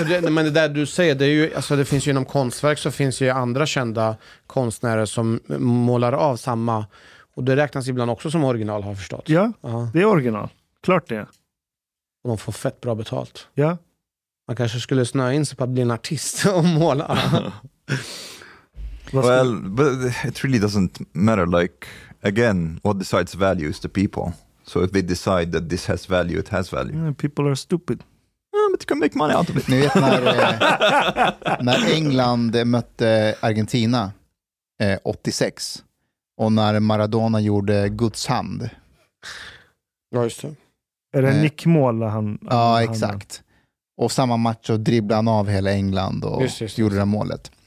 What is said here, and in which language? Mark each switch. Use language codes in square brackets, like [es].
[sv] men det där du säger, det är ju, alltså det finns ju inom konstverk, så finns ju andra kända konstnärer som målar av samma, och det räknas ibland också som original, har förstått. Ja, det är original. Klart det. Och de får fett bra betalt. Ja. Man kanske skulle snöa in sig på att bli en artist och måla. [en] Well, but it really doesn't matter, like, again, what decides value is the people. So if they decide that this has value, it has value. Yeah, people are stupid. Yeah, but you can make money out of it. [sv] Ni vet när England mötte Argentina 86 och när Maradona gjorde Guds hand. Ja, just det. Är det en nickmål? Ja, exakt. Och samma match och dribblade han av hela England och just gjorde det målet.